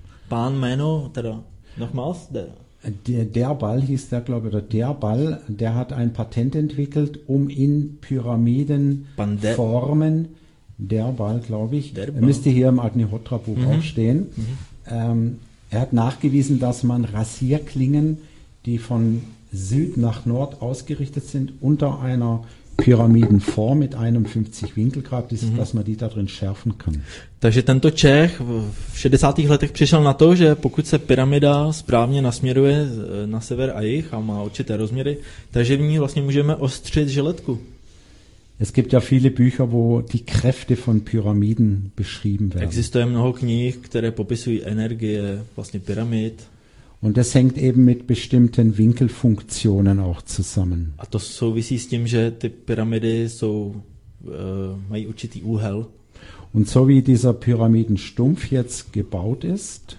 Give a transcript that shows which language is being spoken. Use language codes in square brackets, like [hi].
[cs] Pán jméno, teda [de] nochmals, Derbal hieß der, glaube ich, Derbal, der hat ein Patent entwickelt, um in Pyramidenformen, Derbal, glaube ich, Derbal. Müsste hier im Agnihotra-Buch auch stehen, er hat nachgewiesen, dass man Rasierklingen, die von Süd nach Nord ausgerichtet sind, unter einer Pyramidenform mit einem 50-Winkelgrad, dass man die da drin schärfen kann. [cs] Takže tento Čech v 60. letech přišel na to, že pokud se pyramida správně nasměruje na sever a jih a má určité rozměry, takže v ní vlastně můžeme ostřit žiletku. [de] Es gibt ja viele Bücher, wo die Kräfte von Pyramiden beschrieben werden. [cs] Existuje mnoho knih, které popisují energie vlastně pyramid. [de] Und das hängt eben mit bestimmten Winkelfunktionen auch zusammen. [cs] A to souvisí s tím, že ty pyramidy jsou mají určitý úhel. [de] Und so wie dieser Pyramidenstumpf jetzt gebaut ist,